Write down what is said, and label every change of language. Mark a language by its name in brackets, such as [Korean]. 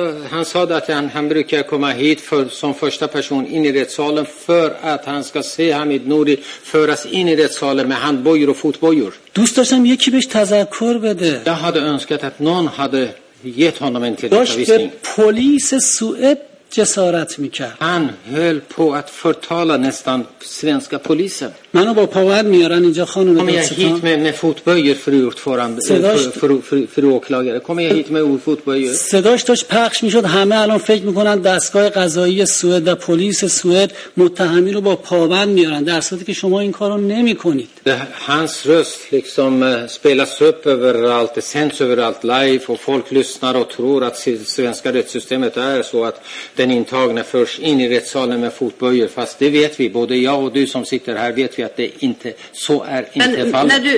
[Swedish] Han sa att han brukar komma hit för som första person in i rättssalen för att han ska se Hamid Nouri föras in i rättssalen med handbojor och fotbojor. [Persian] دوست داشتم یکی بهش تذکر بده. [Swedish] Jag hade önskat att någon hade gett honom en tillrättavisning. [Persian] داشت پلیس سوئد جسارت میکرد. [Swedish] Han höll på att förtala nästan svenska polisen. [Persian] منو با پاور میارن اینجا خانم رو بسطان. [Swedish] Kom hit med fotböjer fru ordförande. Fru åklagare. Kom hit med fotböjer. [Persian] صداش داشت پخش میشد. همه الان فکر میکنن دستگاه قضایی سوئد و پلیس سوئد متهمی رو با پابند میارن. در صورتی که شما این کارو نمیکنید. [Swedish] Hans röst liksom spelas upp överallt, sänds överallt live och folk lyssnar och tror att svenska rättssystemet är så att den intagna förs in i rättssalen med fotböjer. Fast det vet vi, både jag och du som sitter här vet vi att det inte så är inte fallet.